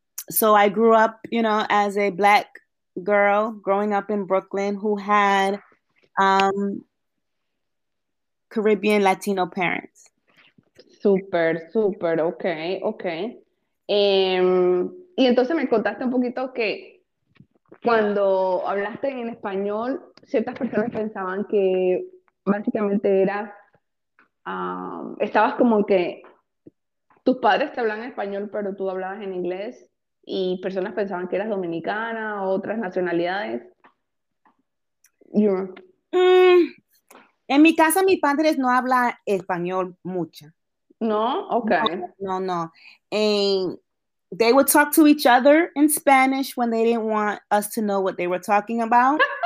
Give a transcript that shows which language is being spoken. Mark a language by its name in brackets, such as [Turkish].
[English] So I grew up, you know, as a black girl growing up in Brooklyn who had Caribbean Latino parents. Super, super, okay, okay. [Spanish] Y entonces me contaste un poquito que cuando hablaste en español, ciertas personas pensaban que básicamente era, estabas como que tus padres te hablan español, pero tú hablabas en inglés, y personas pensaban que eras dominicana o otras nacionalidades. [English] Yeah. [Spanish] En mi casa, mis padres no hablan español mucho. No, okay. No. [English] And they would talk to each other in Spanish when they didn't want us to know what they were talking about.